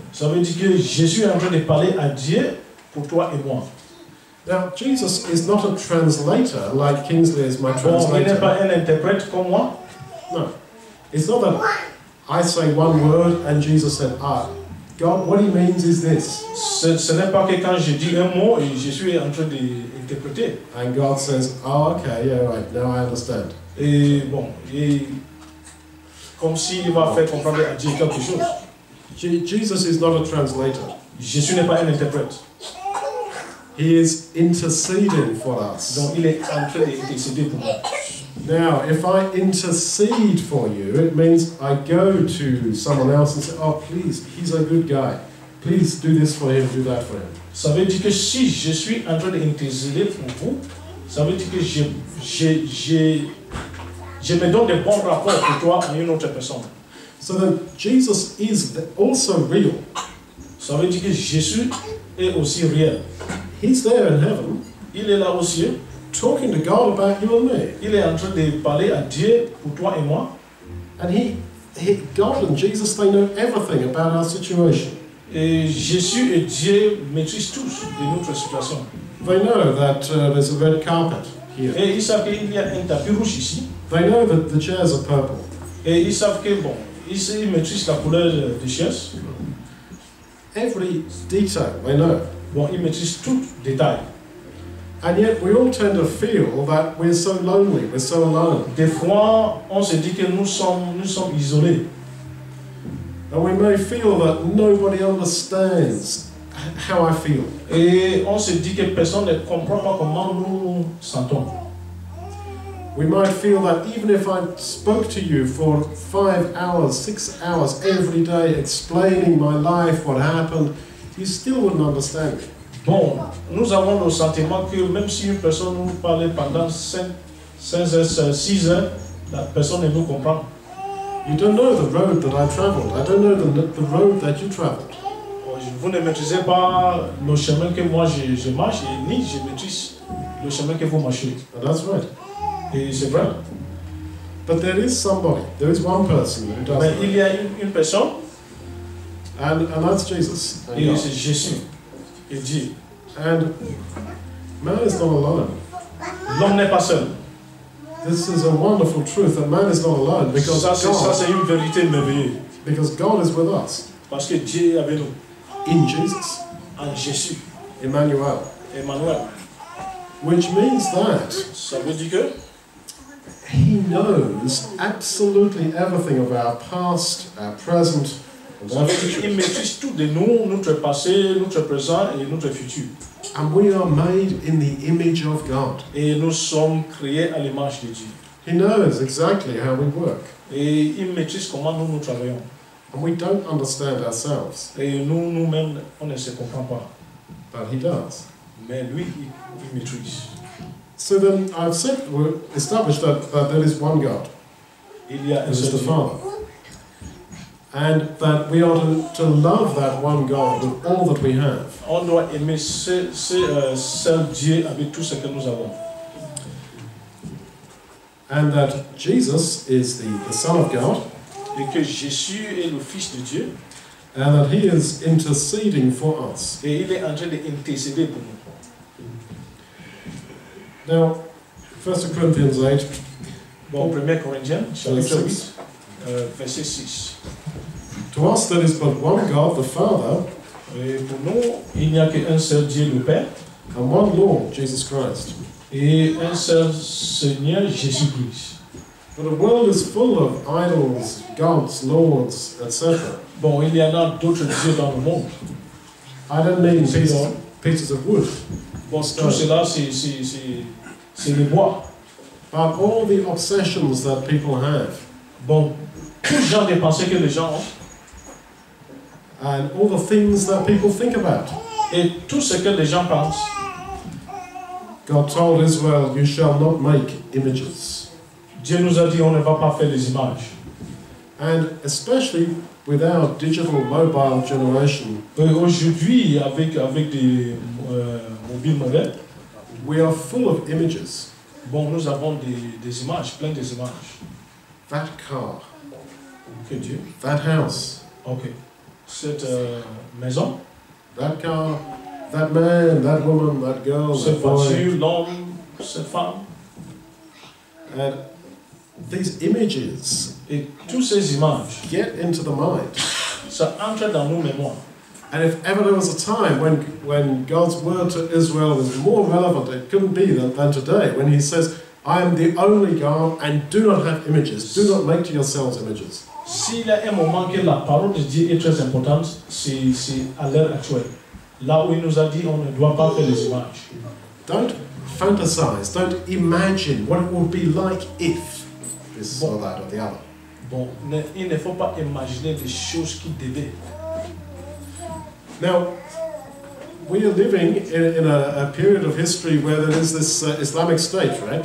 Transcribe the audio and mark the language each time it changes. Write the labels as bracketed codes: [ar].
[fr] Ça veut dire que Jésus est en train de parler à Dieu pour toi et moi. [en] Now Jesus is not a translator like Kingsley is my translator. [fr] Bon, il n'est pas un interprète comme moi. [en] No, it's not that I say one word and Jesus said, ah, God, what he means is this. [fr] Ce n'est pas que quand je dis un mot, Jésus est en train de interpréter. [en] And God says, ah, oh, okay, yeah, right, now I understand. [fr] Et bon, et comme s'il va faire comprendre à Dieu quelque chose. [en] Jesus is not a translator. [fr] Jésus n'est pas un interprète. [en] He is interceding for us. [fr] Donc il est en train d'intercéder pour nous. [en] Now, if I intercede for you, it means I go to someone else and say, oh, please, he's a good guy. Please do this for him, do that for him. [fr] Ça veut dire que si je suis en train d'intercéder pour vous, ça veut dire que je me donne des bons rapports pour toi et une autre personne. [en] So then, Jesus is also real. [fr] Ça veut dire que Jésus est aussi réel. [en] He's there in heaven. [fr] Il est là aussi. [en] Talking to God about you and me. [fr] Il est en train de parler à Dieu pour toi et moi. [en] And he, God and Jesus, they know everything about our situation. [fr] Et Jésus et Dieu maîtrisent tous de notre situation. [en] They know that there's a red carpet. [fr] Et ils savent qu'il y a un tapis rouge ici. [en] They know that the chairs are purple. [fr] Et ils savent que bon, ils maîtrisent la couleur des chaises. [en] Every detail, they know. [fr] Bon, ils maîtrisent tout détail. [en] And yet, we all tend to feel that we're so lonely, we're so alone. [fr] Des fois, on se dit que nous sommes isolés. [en] And we may feel that nobody understands how I feel. [fr] Et on se dit que personne ne comprend pas comment nous sentons. [en] We might feel that even if I spoke to you for 5 hours, 6 hours every day explaining my life, what happened, you still wouldn't understand. [fr] Bon, nous avons le sentiment que même si une personne nous parle pendant 5 heures, 6 heures, la personne ne nous comprend. [en] You don't know the road that I traveled. I don't know the road that you traveled. [fr] Vous ne maîtrisez pas le chemin que moi je marche, et ni je maîtrise le chemin que vous marchez. [en] And that's right. [fr] Et c'est vrai. [en] But there is somebody. There is one person who does. [fr] Mais il y a une personne. [en] And that's Jesus. [fr] Et c'est Jésus. Et Dieu. [en] And man is not alone. [fr] L'homme n'est pas seul. [en] This is a wonderful truth that man is not alone because [fr] ça, [en] God. [fr] Ça c'est une vérité merveilleuse. [en] Because God is with us. [fr] Parce que Dieu est avec nous. [en] In Jesus. [fr] En Jésus. [en] Emmanuel. Which means that [fr] ça veut dire que [en] he knows absolutely everything of our past, our present, and our future. [fr] Il maîtrise tout de nous, notre passé, notre présent et notre futur. [en] And we are made in the image of God. [fr] Et nous sommes créés à l'image de Dieu. [en] He knows exactly how we work. [fr] Et il maîtrise comment nous travaillons. [en] And we don't understand ourselves. [fr] Et nous-mêmes, on ne se comprend pas. [en] But he does. [fr] Mais lui, il maîtrise. [en] So then, I've said, we've established that there is one God. [fr] Il y a un seul Dieu. [en] The Father. And that we ought to love that one God with all that we have. [fr] On doit aimer ce seul Dieu avec tout ce que nous avons. [en] And that Jesus is the Son of God. [fr] Et que Jésus est le Fils de Dieu. [en] And that he is interceding for us. [fr] Et il est en train d'intercéder pour nous. [en] Now, 1 Corinthians 8. [fr] Bon, 1 Corinthiens, chapitre 8, verset 6. [en] To us there is but one God, the Father, [fr] Et pour nous, il n'y a qu'un seul Dieu le Père. [en] And one Lord, Jesus Christ. [fr] Et un seul Seigneur Jésus-Christ. [en] But the world is full of idols, gods, lords, etc. [fr] Bon, il y en a d'autres dieux dans le monde. [en] I don't mean pieces of wood. [fr] Bon, tout cela, c'est le bois. [en] But all the obsessions that people have. [fr] Bon, tout genre de pensées que les gens ont. [en] And all the things that people think about. [fr] Et tout ce que les gens pensent. [en] God told Israel, you shall not make images. [fr] Dieu nous a dit, on ne va pas faire les images. [en] And especially with our digital mobile generation. [fr] Et aujourd'hui, avec des mobiles modernes, [en] we are full of images. [fr] Bon, nous avons des images, plein des images. [en] That car. [fr] Que Dieu. [en] That house. [fr] Okay. Cette maison. [en] That car. That man, that woman, that girl, [fr] cette voiture, [en] boy. [fr] L'homme, cette femme. [en] And these images. [fr] Et toutes ces images. [en] Get into the mind. [fr] Ça entre dans nos mémoires. [en] And if ever there was a time when God's word to Israel was more relevant, it couldn't be than today, when he says, I am the only God, and do not have images. Do not make to yourselves images. [fr] S'il y a un moment que la parole de Dieu est très importante, c'est à l'heure actuelle. Là où il nous a dit, on ne doit pas faire les images. [en] Don't fantasize, don't imagine what it would be like if this bon, or that or the other. [fr] Bon, il ne faut pas imaginer des choses qui devaient. [en] Now, we are living in a period of history where there is this Islamic state, right?